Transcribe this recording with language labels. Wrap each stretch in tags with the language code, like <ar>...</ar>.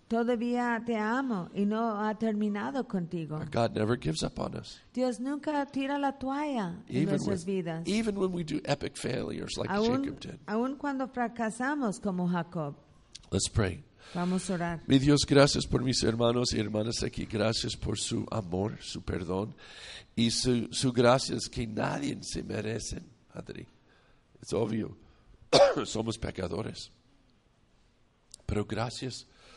<es>Todavía te amo y no ha terminado contigo.</es> <en>Our God never gives up on us.</en> <es>Dios nunca tira la toalla</es> <en>even</en> <es>en nuestras vidas.</es> <en>Even when we do epic failures like Jacob did.</en> <es>Aún cuando fracasamos como Jacob.</es> <en>Let's pray.</en> <es>Vamos a orar. Mi Dios, gracias por mis hermanos y hermanas aquí. Gracias por su amor, su perdón. Y su gracias que nadie se merece, Padre. Es obvio, somos pecadores. Pero gracias</es>